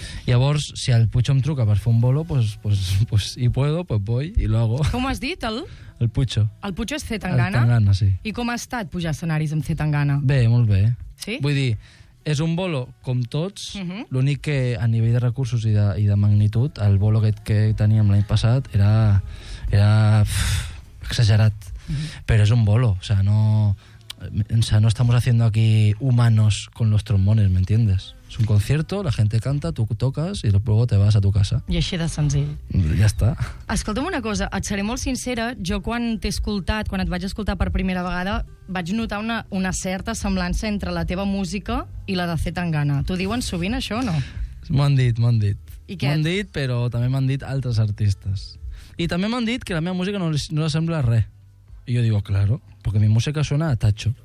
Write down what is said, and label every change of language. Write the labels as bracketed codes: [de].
[ca] Llavors, si el Puig em truca per fer un bolo, [es] pues hi puedo, pues voy, y luego... [ca] Com has dit, el...? El Puigcho. El Puigcho és Cetangana? El Tangana, sí. I com ha estat pujar escenaris amb Cetangana? Bé, molt bé. Sí? Vull dir, és un bolo com tots, l'únic que a nivell de recursos i de magnitud, el bolo aquest que teníem l'any passat era exagerat. Però és un bolo, o sea, no... [es] O sea, no estamos haciendo aquí humanos con los trombones, ¿me entiendes? Es un concierto, la gente canta, tú tocas y luego te vas a tu casa. [ca] I així de senzill. Ja està. Escolta'm una cosa, et seré molt sincera, jo quan t'he escoltat, quan et vaig escoltar per primera vegada, vaig notar una certa semblança entre la teva música i la de Cetangana. T'ho diuen sovint, això, o no? M'ho han dit. I què? M'ho han dit, però també m'han dit altres artistes. I també m'han dit que la meva música no sembla res. I jo [es] digo, claro, porque mi música suena a Tacho.